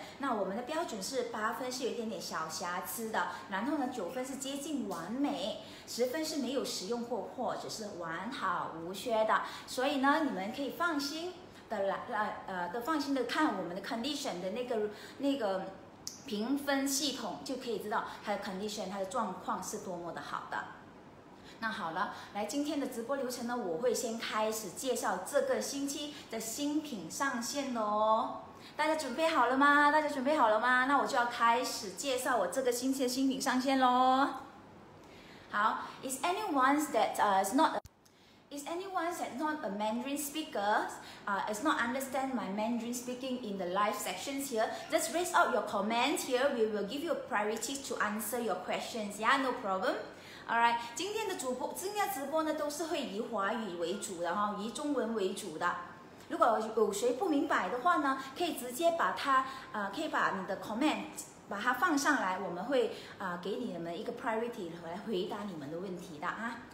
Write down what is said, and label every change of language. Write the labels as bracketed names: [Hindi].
[Chinese] 那我们的标准是8分是有点点小瑕疵的，然后呢9分是接近完美，10分是没有使用过或者是完好无缺的，所以呢你们可以放心的看我们的 condition 的那个评分系统，就可以知道它的 condition 它的状况是多么的好的。那好了，来今天的直播流程呢，我会先开始介绍这个星期的新品上线哦。大家准备好了吗？那我就要开始介绍我这个星期的新品上线咯。 [English] 好， Is anyone that is not a Mandarin speaker, is not understand my Mandarin speaking in the live sections here, just raise up your comment here. We will give you a priority to answer your questions. Yeah, no problem. All right. [Chinese] 今天的直播呢都是会以华语为主的哈，以中文为主的。如果有谁不明白的话呢，可以直接把它可以把你的 comment 把它放上来，我们会给你们一个 priority 来回答你们的问题的啊。